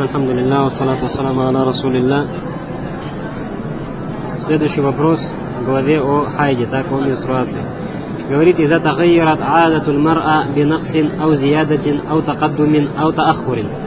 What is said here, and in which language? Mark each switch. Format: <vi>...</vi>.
<ar>الحمد لله والصلاة والسلام على رسول الله.</ar> <ru>Следующий вопрос в главе о хайде, так, о менструации. Говорит,</ru> <ar>إذا تغيرت عادة المرأة بنقص أو زيادة أو تقدم أو تأخر.</ar>